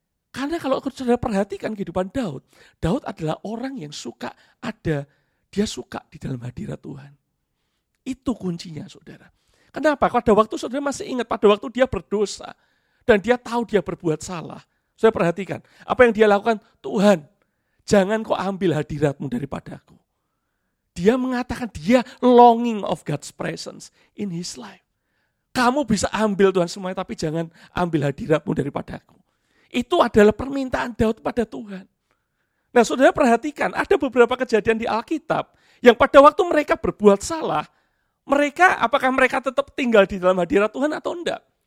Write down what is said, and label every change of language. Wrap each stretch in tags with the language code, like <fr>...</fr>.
<id>Karena kalau saudara perhatikan kehidupan Daud, Daud adalah orang yang suka ada, dia suka di dalam hadirat Tuhan. Itu kuncinya, saudara. Kenapa? Pada waktu saudara masih ingat, pada waktu dia berdosa, dan dia tahu dia berbuat salah. Saudara perhatikan, apa yang dia lakukan? Tuhan, jangan kau ambil hadiratmu daripadaku.</id> <en>Dia mengatakan dia longing of God's presence in his life.</en> <id>Kamu bisa ambil Tuhan semuanya, tapi jangan ambil hadiratmu daripadaku. Itu adalah permintaan Daud pada Tuhan. Nah, saudara perhatikan, ada beberapa kejadian di Alkitab yang pada waktu mereka berbuat salah, mereka, apakah mereka tetap tinggal di dalam hadirat Tuhan atau enggak?</id>